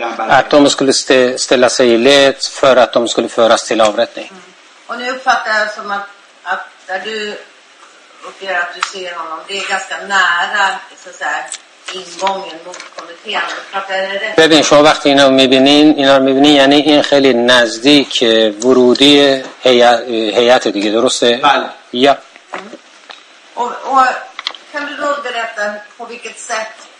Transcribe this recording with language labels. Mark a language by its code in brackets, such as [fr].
[sv] att de skulle ställa sig i led för att de skulle föras till avrättning. Och nu uppfattar jag som att där du uppger att du ser honom, det är ganska nära så att säga ingången mot kommittén. [fa] ببین شما وقتی اینا رو میبینین یعنی این خیلی نزدیک ورودی هیئت دیگه درسته؟ بله. [sv] Ja. Och kan du då berätta på vilket sätt